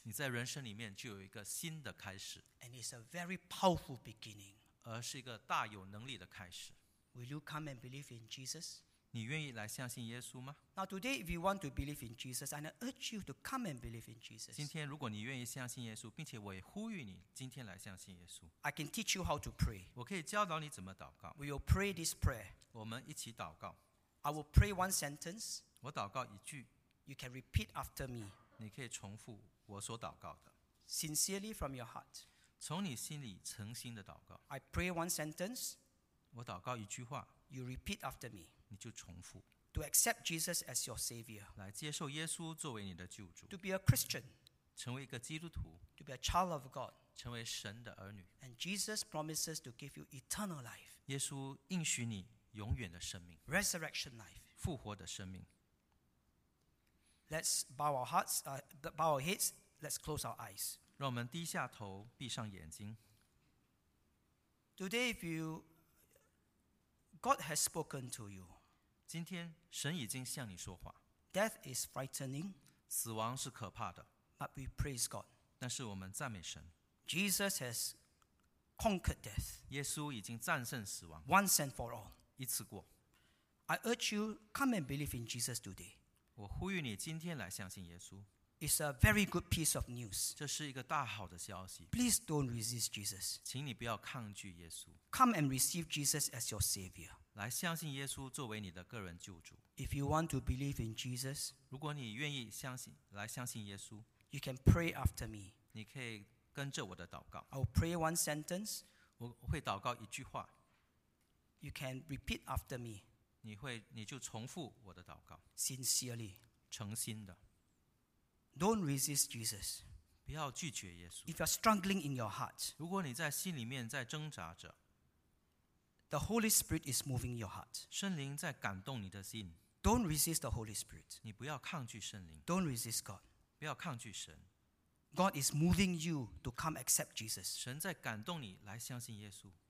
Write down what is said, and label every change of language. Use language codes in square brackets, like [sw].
[zh] 你在人生里面就有一个新的开始。 [en] And it's a very powerful beginning. [zh] 而是一个大有能力的开始。 [en] Will you come and believe in Jesus? [zh] 你愿意来相信耶稣吗？ [en] Now today, if you want to believe in Jesus, and I urge you to come and believe in Jesus. [zh] 今天如果你愿意相信耶稣，并且我也呼吁你今天来相信耶稣。 [en] I can teach you how to pray. [zh] 我可以教导你怎么祷告。 [en] We will pray this prayer. [zh] 我们一起祷告。 [en] I will pray one sentence. [zh] 我祷告一句。 [en] You can repeat after me. [zh] 你可以重复我所祷告的。 [en] Sincerely from your heart. [zh] 从你心里诚心的祷告。 [en] I pray one sentence. [zh] 我祷告一句话。 [en] You repeat after me. [zh] 你就重复。 [en] To accept Jesus as your Savior. [zh] 来接受耶稣作为你的救主。 [en] To be a Christian. [zh] 成为一个基督徒。 [en] To be a child of God. [zh] 成为神的儿女。 [en] And Jesus promises to give you eternal life. [zh] 耶稣应许你永远的生命。 [en] Resurrection life. [zh] 复活的生命。 [en] Let's bow our heads. Let's close our eyes. [zh] 让我们低下头，闭上眼睛。 [en] Today, if you God has spoken to you. [zh] 今天神已经向你说话。 [en] Death is frightening. [zh] 死亡是可怕的。 [en] But we praise God. [zh] 但是我们赞美神。 [en] Jesus has conquered death. [zh] 耶稣已经战胜死亡。 [en] Once and for all. [zh] 一次过。 [en] I urge you, come and believe in Jesus today. [zh] 我呼吁你今天来相信耶稣。 [en] It's a very good piece of news. [zh] 这是一个大好的消息。 [en] Please don't resist Jesus. [zh] 请你不要抗拒耶稣。 [en] Come and receive Jesus as your Savior. [zh] 来相信耶稣作为你的个人救主。 [en] If you want to believe in Jesus, [zh] 如果你愿意相信，来相信耶稣。 [en] You can pray after me. [zh] 你可以跟着我的祷告。 [en] I'll pray one sentence. [zh] 我会祷告一句话。 [en] You can repeat after me. [zh] 你就重复我的祷告。 [en] Sincerely. [zh] 诚心的。 [en] Don't resist Jesus. [zh] 不要拒绝耶稣。 [en] If you're struggling in your heart, [zh] 如果你在心里面在挣扎着。 [en] The Holy Spirit is moving your heart. [zh] 圣灵在感动你的心。 [en] Don't resist the Holy Spirit. [zh] 你不要抗拒圣灵。 [en] Don't resist God. [zh] 不要抗拒神。 [en] God is moving you to come accept Jesus. [zh] 神在感动你来相信耶稣。